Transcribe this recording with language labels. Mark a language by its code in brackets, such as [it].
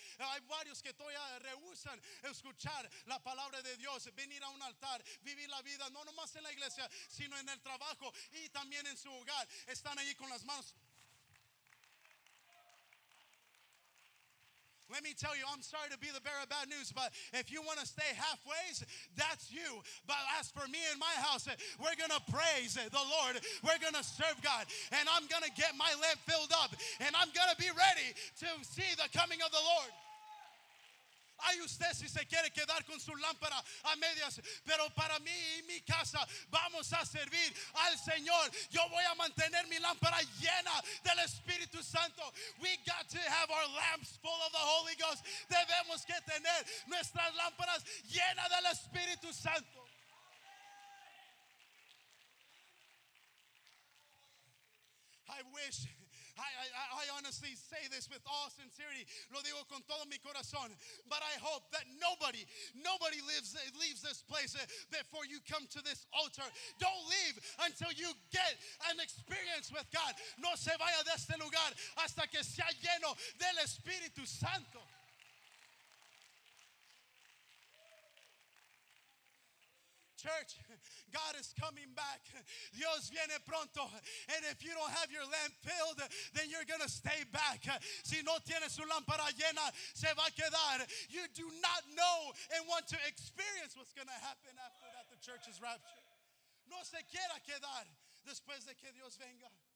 [es] Hay varios que todavía rehusan escuchar la palabra de Dios, venir a un altar, vivir la vida no nomás en la iglesia sino en el trabajo y también en su hogar. Están allí con las manos. [en] Let me tell you, I'm sorry to be the bearer of bad news, but if you want to stay halfway, that's you. But as for me and my house, we're going to praise the Lord. We're going to serve God. And I'm going to get my lamp filled up. And I'm going to be ready to see the coming of the Lord. [es] Hay usted si se quiere quedar con su lámpara a medias, pero para mí y mi casa vamos a servir al Señor. Yo voy a mantener mi lámpara llena del Espíritu Santo. [en] We got to have our lamps full of the Holy Ghost. [es] Debemos que tener nuestras lámparas llenas del Espíritu Santo. [en] I wish, I honestly say this with all sincerity, [es] lo digo con todo mi corazón, [en] but I hope that nobody leaves this place before you come to this altar. Don't leave until you get an experience with God. [es] No se vaya de este lugar hasta que sea lleno del Espíritu Santo. [en] Church, God is coming back. [es] Dios viene pronto. [en] And if you don't have your lamp filled, then you're going to stay back. [es] Si no tiene su lámpara llena, se va a quedar. [en] You do not know and want to experience what's going to happen after that the church is raptured. [es] No se quiera quedar después de que Dios venga.